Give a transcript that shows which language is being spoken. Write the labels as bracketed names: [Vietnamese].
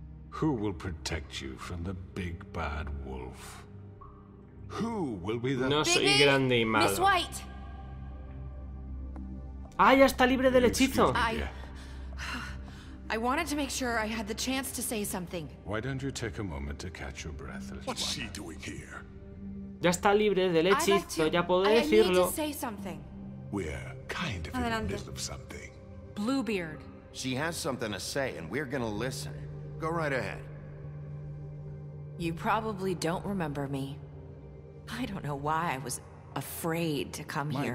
[English] Who will protect you from the big bad wolf? Who will be the... [Spanish] No soy grande y malo. [English] Miss White! [Spanish] Ah, ya está libre del hechizo. [English] I wanted to make sure I had the chance to say something. Why don't you take a moment to catch your breath, little one? What's she doing here? [Spanish] Ya está libre del hechizo, ya puedo decirlo. [English] I need to say something. We're kind of in the middle of something. Bluebeard. She has something to say, and we're gonna listen. Go right ahead. You probably don't remember me. I don't know why I was afraid to come here.